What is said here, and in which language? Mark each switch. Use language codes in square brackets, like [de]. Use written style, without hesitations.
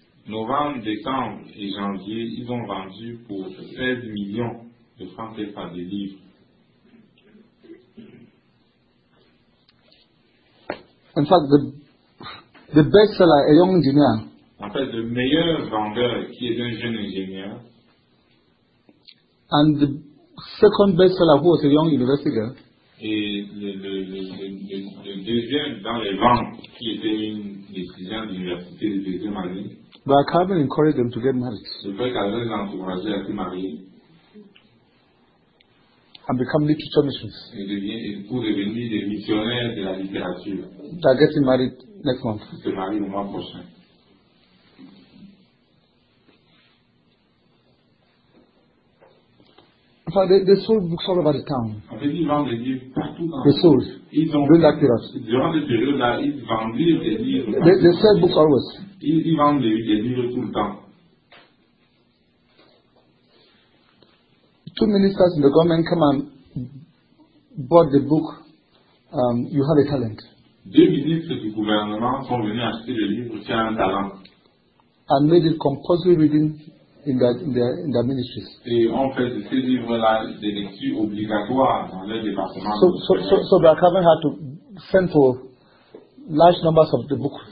[fr] Novembre, décembre et janvier, ils ont vendu pour 16 millions de francs CFA de livres. En fait, [en] the best seller, a young engineer. [fr] En fait, le meilleur vendeur qui est un jeune ingénieur. [en] And the second best seller who was a young university girl. [fr] Et le deuxième dans les ventes qui était une étudiante d'université de deuxième année. [en] But Calvin encouraged them to get married. [fr] Le père Calvin les a encouragés à se marier. [en] And become literature missionaries. [fr] Pour devenir des missionnaires de la littérature. [en] They are getting married next month. [fr] Ils se marient le mois prochain. [en] In fact, they sold books all over the town. They sold. During that period. During the period, [fr] ils vendaient des livres. [en] They sold books always. [fr] Ils vendaient des livres tout le temps. [en] Two ministers in the government came and bought the book, You Have a Talent. [fr] Deux ministres du gouvernement sont venus acheter le livre, Tu as un talent. [en] And made it compulsory reading. In their ministries. [fr] Et on fait de ces livres-là des lectures obligatoires dans leur département. [en] So Black Calvin had to send for large numbers of the books.